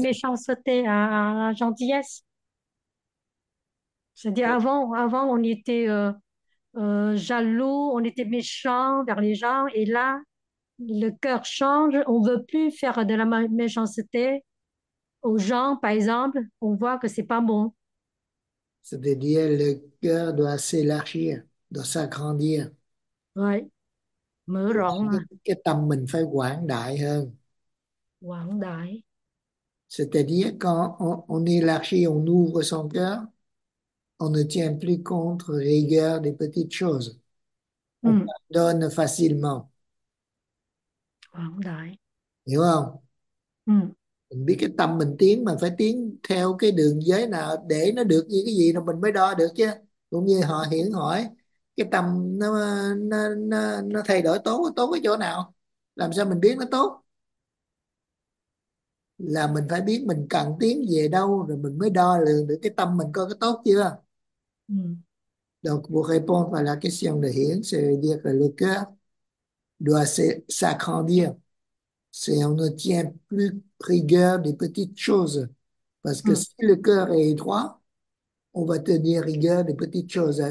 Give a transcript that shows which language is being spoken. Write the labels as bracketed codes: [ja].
[fr] méchanceté à la gentillesse. C'est-à-dire avant on était jaloux, on était méchant vers les gens, et là le cœur change, on veut plus faire de la méchanceté aux gens, par exemple, on voit que c'est pas bon. C'est-à-dire le cœur doit s'élargir, doit s'agrandir. Ouais. [vi] Mở [fr] Quand [vi] rộng à. cái tâm mình phải quảng đại hơn. Quảng đại. [fr] C'est-à-dire quand on élargit, on ouvre son cœur, on ne tient plus compte rigueur des petites choses. On pardonne facilement. [vi] Quảng đại. Hiểu không? Mình biết cái tâm mình tiến mà phải tiến theo cái đường giới nào để nó được như cái gì rồi mình mới đo được chứ. Cũng như họ hiển hỏi cái tâm nó thay đổi tốt tốt cái chỗ nào, làm sao mình biết nó tốt, là mình phải biết mình cần tiến về đâu rồi mình mới đo lường được cái tâm mình coi có tốt chưa. [fr] Donc vous répondre à la question de Hiển, c'est dire que le cœur doit s'agrandir. C'est on ne tient plus rigueur des petites choses. Parce que si le cœur est étroit, on va tenir rigueur des petites choses. Hein.